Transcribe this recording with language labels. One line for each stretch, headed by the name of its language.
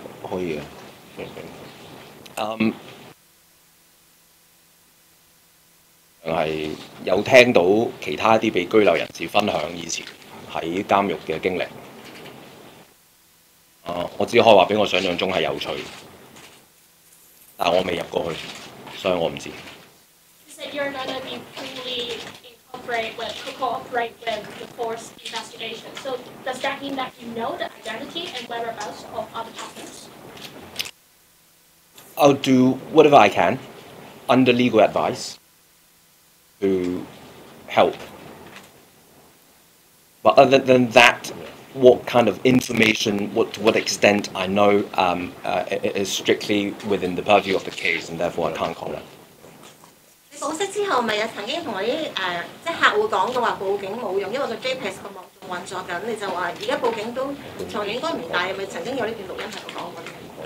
Cantonese: 可以啊，係有聽到其他啲被拘留人士分享以前喺監獄嘅經歷。我只可以話俾我想象中係有趣，但我未入過去，所以我唔知道。
English: You said you're gonna be fully cooperate with the force investigation. So does that mean that you know the identity and whereabouts of other partners? I'll do whatever I can under legal advice to help. But other than that, what kind of information, to what extent I know, is strictly within the purview of the case, and therefore I can't comment.
Cantonese: 你保釋之後，咪又曾經同我啲即係客户講嘅話，報警冇用，因為個 JPEG 個網仲運作緊。你就話而家報警都仲應該唔大，咪曾經有呢段錄音係我講過嘅。